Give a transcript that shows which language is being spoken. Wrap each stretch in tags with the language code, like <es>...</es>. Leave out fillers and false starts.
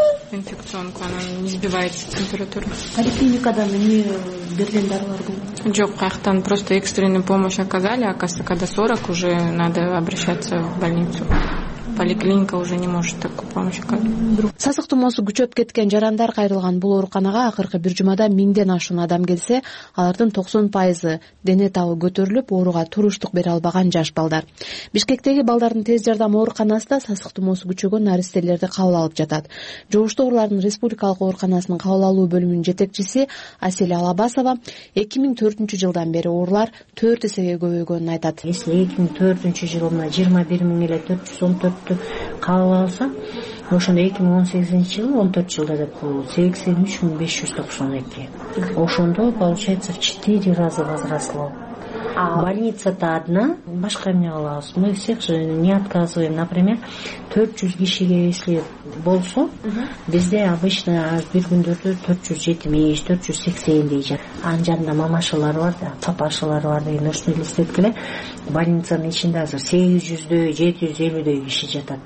<ky>Инфекционку, анан</ky> <ru>не сбивается температура.</ru> <ky>Поликлиникада эмне берген дарылар болгон? Жок, каяктан</ky> <ru>просто экстренную помощь оказали, оказывается, когда 40 уже надо обращаться в больницу. Поликлиника уже не может такую помощь оказать.</ru> <ky>Сасык тумоосу күчөп кеткен жарандар кайрылган бул ооруканага акыркы 1 жумада 1000 ашуун адам келсе, алардын 90% дене табы көтөрүлүп, ооруга туруштук бере албаган жаш балдар. Бишкектеги балдардын тез жардам ооруканасында сасык тумоосу күчөгөн наристелерди кабыл алып жатат. Жогушту оорулардын республикалык ооруканасынын кабыл алуу бөлүмүнүн жетекчиси Асель Алабасова 2004-жылдан бери оорулар 4 эсеге көбөйгөнүн айтат.</ky> <ru>Если</ru> <ky>2004-жылы 21 414 кабыл алса, Ошондо 2018 жылы 14 жылда деп коелу, 83592. Ошондо</ky> <ru>получается в 4 раза возросло. А больница-то одна,</ru> <ky>башка эмне кылабыз?</ky> <ru>Мы всех же не отказываем. Например,</ru> <ky>400 кишиге</ky> <ru>если</ru> <ky>болсо, бизде</ky> <ru>обычно</ru> <ky>бир күндөрдө 470, 480 дейт. Анын жанында мамашалар бар да, папашалар бар деген ошону элестеткиле. Больницанын ичинде азыр 800-дөй, 750-дөй киши жатат.</ky>